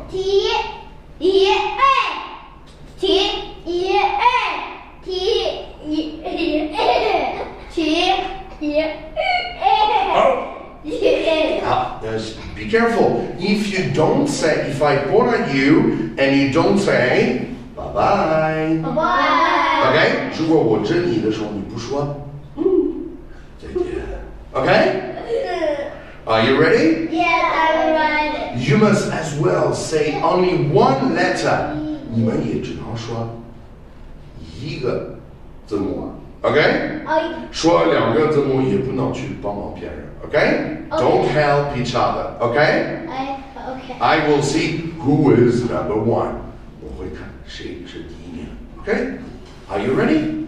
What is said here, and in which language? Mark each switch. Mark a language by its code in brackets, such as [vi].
[en] T E A. T E A. T E A. T E A. Yeah. Be careful. If you don't say, if I point at you and you don't say, bye bye. Bye bye. Okay? [zh] 如果我指你的时候你不说，再见。 [en] Okay? Are you ready? Yeah, I'm ready. You must as well say only one letter. [zh] 你们也只能说一个字母。 [en] Okay? [zh] 说两个字母也不能去帮忙别人。 [en] Okay? Don't help each other. Okay? Okay. I will see who is number one. [zh] 我会看谁是第一名。 [en] Okay? Are you ready?